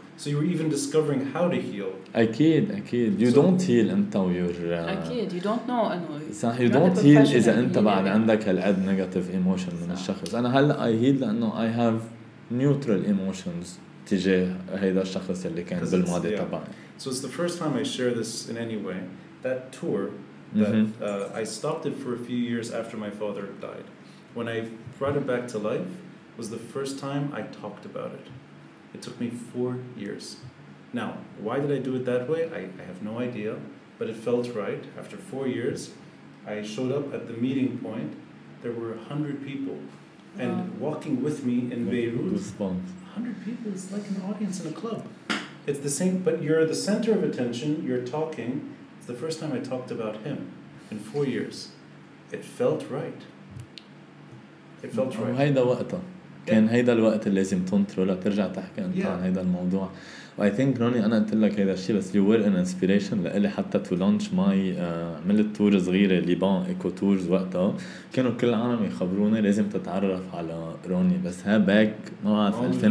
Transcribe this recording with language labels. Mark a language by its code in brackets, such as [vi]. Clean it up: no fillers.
[en] so you were even discovering how to heal [ar] اكيد اكيد [en] you don't heal [ar] انت و your اكيد [en] you don't know [ar] انه صح [en] you don't heal [ar] اذا انت بعد عندك هالقد negative emotion من الشخص انا هلا [en] I heal [ar] لانه [en] I have neutral emotions [ar] تجاه هيدا الشخص اللي كان بالماضي تبعي [en] so it's the first time I share this in any way That tour, that I stopped it for a few years after my father died. When I brought him back to life, was the first time I talked about it. It took me 4 years. Now, why did I do it that way? I have no idea, but it felt right. After 4 years, I showed up at the meeting point. There were 100 people. Wow. And walking with me in Beirut, 100 people is like an audience in a club. It's the same, but you're the center of attention, you're talking, the first time I talked about him in 4 years it felt right it felt right [ar] وهيدا وقتها كان هيدا الوقت اللي لازم تنطره لترجع تحكي انت عن هيدا الموضوع [en] I think [ar] Ronnie أنا قلت لك هيدا الشيء بس [en] you were an inspiration [ar] لقلي حتى [en] to launch my [ar] عملت تور صغيرة ليبان إيكو تورز وقتها كانوا كل العالم يخبروني لازم تتعرف على روني بس ها باك ما عارف